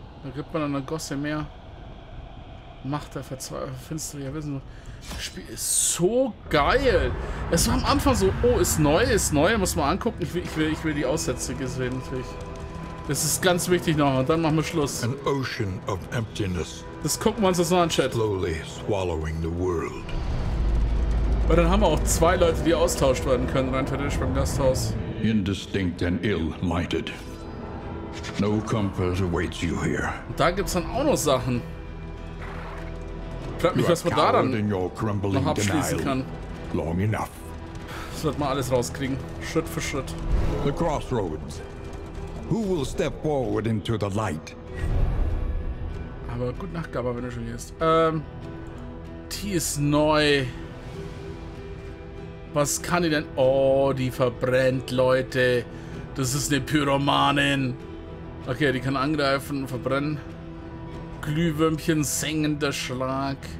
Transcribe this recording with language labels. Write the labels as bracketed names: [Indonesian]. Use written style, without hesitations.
[German] Da gibt man eine Gosse mehr. Macht der Verzweifler finster, ja, wissen wir. Das Spiel ist so geil. Es war am Anfang so, oh, ist neu, muss man angucken. Ich will die Aussätze sehen, natürlich. Das ist ganz wichtig noch, und dann machen wir Schluss. [English] An ocean of emptiness. [German] Das gucken wir uns jetzt noch an, Chat. [English] Slowly swallowing the world. [German] Weil dann haben wir auch zwei Leute, die austauscht werden können, rein theoretisch beim Gasthaus. [English] Indistinct and ill-minded. No comfort awaits you here. [German] Und da gibt's dann auch noch Sachen. Ich frag mich, was man da dann noch abschließen kann. [English] Long enough. [German] Das wird man alles rauskriegen. Schritt für Schritt. [English] The crossroads. Who will step forward into the light? [German] Aber gut Nacht, Gabba, wenn du schon hier bist. Die ist neu. Was kann die denn? Oh, die verbrennt, Leute. Das ist eine Pyromanin. Okay, die kann angreifen und verbrennen. Glühwürmchen, sengender Schlag.